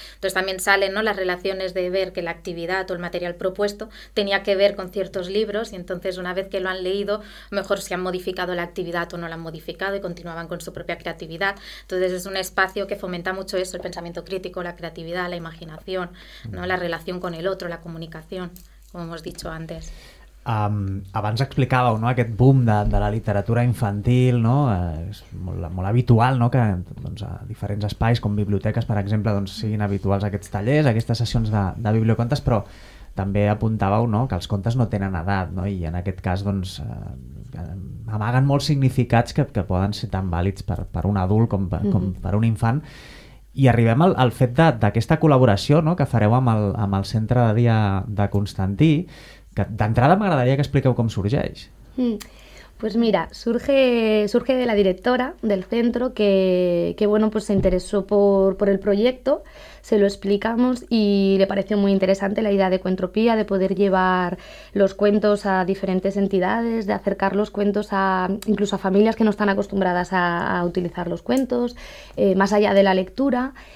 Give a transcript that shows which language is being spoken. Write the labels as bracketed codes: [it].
[es] Entonces también salen, ¿no?, las relaciones de ver que la actividad o el material propuesto tenía que ver con ciertos libros y entonces una vez que lo han leído, mejor si han modificado la actividad o no la han modificado y continuaban con su propia creatividad. Entonces es un espacio que fomenta mucho eso, el pensamiento crítico, la creatividad, la imaginación, ¿no?, la relación con el otro, la comunicación, como hemos dicho antes. [ca] Abans explicàveu, no?, aquest boom de la literatura infantil, no?, és molt, molt habitual, no?, que doncs, a diferents espais com biblioteques, per exemple, doncs, siguin habituals aquests tallers, aquestes sessions de bibliocontes, però també apuntàveu, no?, que els contes no tenen edat, no?, i en aquest cas doncs, amaguen molts significats que poden ser tan vàlids per un adult com per un infant. I arribem al fet d'aquesta col·laboració, no?, que fareu amb el Centre de Dia de Constantí, que d'entrada m'agradaria que expliqueu com sorgeix. [es] Pues mira, surge de la directora del centro que bueno, pues se interesó por el proyecto, se lo explicamos y le pareció muy interesante la idea de Cuentropía, de poder llevar los cuentos a diferentes entidades, de acercar los cuentos incluso a familias que no están acostumbradas a utilizar los cuentos, más allá de la lectura.